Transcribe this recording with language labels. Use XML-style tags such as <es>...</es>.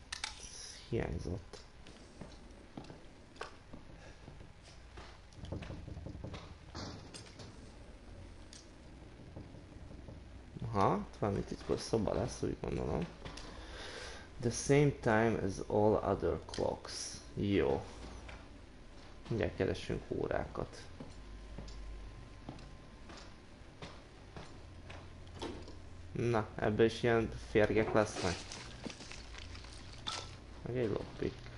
<hu>Ez hiányzott. Aha, valami titkos szoba lesz, úgy gondolom.</hu> <en>The same time as all other clocks.</en> <hu>Jó. Mindjárt keresünk órákat. Na, ebből is ilyen férgek lesznek. Meg egy lockpick.</hu>